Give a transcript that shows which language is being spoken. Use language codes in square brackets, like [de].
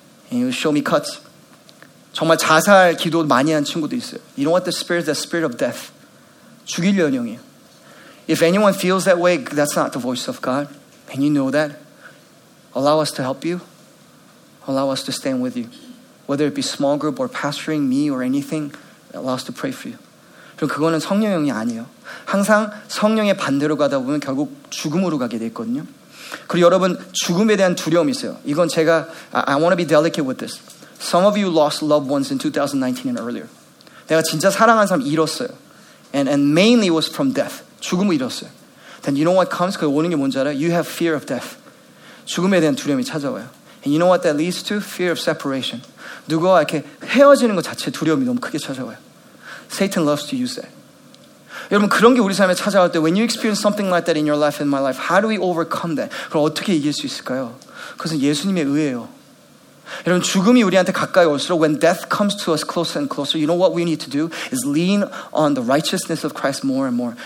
[en] And you show me cuts. [ko] 정말 자살 기도 많이 한 친구도 있어요. [en] You know what the spirit is? The spirit of death. [ko] 죽이려는 영이에요. [en] If anyone feels that way, that's not the voice of God. And you know that. Allow us to help you. Allow us to stand with you. Whether it be small group or pastoring me or anything, allow us to pray for you. [ko] 그럼 그거는 성령형이 아니에요. 항상 성령의 반대로 가다 보면 결국 죽음으로 가게 돼 있거든요. 그리고 여러분 죽음에 대한 두려움이 있어요. 이건 제가 [en] I want to be delicate with this. Some of you lost loved ones in 2019 and earlier. [ko] 내가 진짜 사랑한 사람 잃었어요. [en] And mainly it was from death. [ko] 죽음을 잃었어요. [en] Then you know what comes? [ko] 그 오는 게 뭔지 알아요? [en] You have fear of death. [ko] 죽음에 대한 두려움이 찾아와요. [en] And you know what that leads to? Fear of separation. [ko] 누구와 이렇게 헤어지는 것 자체 두려움이 너무 크게 찾아와요. [en] Satan loves to use that. [ko] 여러분 그런 게 우리 삶에 찾아올 때 [en] when you experience something like that in your life and my life, how do we overcome that? [ko] 그럼 어떻게 이길 수 있을까요? 그것은 예수님의 의예요. 여러분 죽음이 우리한테 가까이 올수록 [en] when death comes to us closer and closer, you know what we need to do? Is lean on the righteousness of Christ more and more.